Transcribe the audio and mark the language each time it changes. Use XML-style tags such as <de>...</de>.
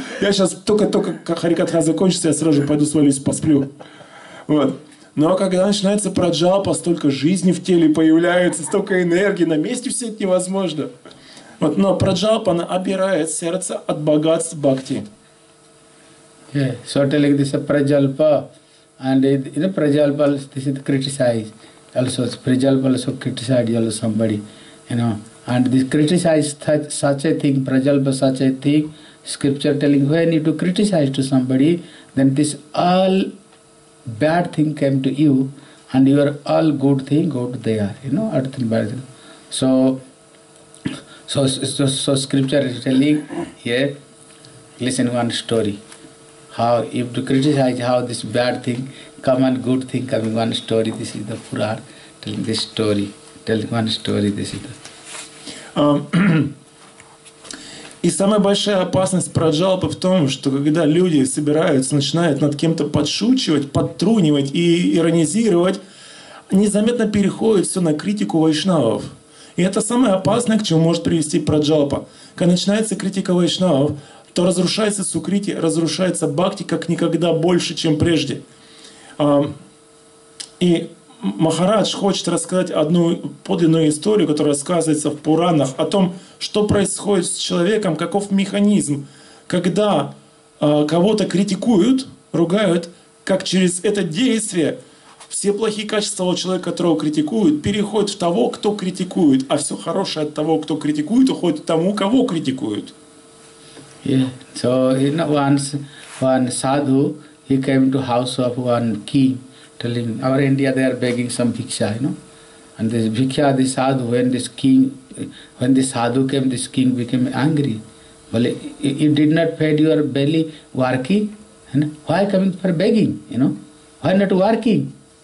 <ru>Я сейчас только-только, как харикатха закончится, я сразу же пойду свалюсь, посплю. Вот. Но когда начинается праджапа, столько жизни в теле появляется, столько энергии, на месте все это невозможно. Вот, но праджапа, она обирает сердце от богатств бхакти.</ru> <en>Yeah, sort of like this prajalpa, and in the prajalpa, this is criticized. Also, prajalpa also criticized also somebody, you know. And this criticized such a thing, prajalpa such a thing, scripture telling when you do criticize to somebody, then this all bad thing came to you, and your all good thing go to there, you know, arthin bharthin. So scripture is telling, here, listen one story. How if to criticize how this bad thing come and good thing coming one story. This is the Puran telling this story, telling one story. This is the.</en> <ru>И самая большая опасность праджалпы в том, что когда люди собираются, начинают над кем-то подшучивать, подтрунивать и иронизировать, незаметно переходит все на критику вайшнавов. И это самое опасное, к чему может привести праджалпа. Когда начинается критика вайшнавов, то разрушается сукрити, разрушается бхакти как никогда больше, чем прежде. И Махарадж хочет рассказать одну подлинную историю, которая рассказывается в Пуранах, о том, что происходит с человеком, каков механизм, когда кого-то критикуют, ругают, как через это действие все плохие качества у человека, которого критикуют, переходят в того, кто критикует, а все хорошее от того, кто критикует, уходит к тому, кого критикуют.</ru> <en>Yeah, so you know, once sadhu, he came to house of one king, telling, our India, they are begging some bhiksha, you know. And this bhiksha, the sadhu, when the sadhu came, this king became angry. Well, you did not feed your belly working, and why coming for begging, you know? Why not working?</en>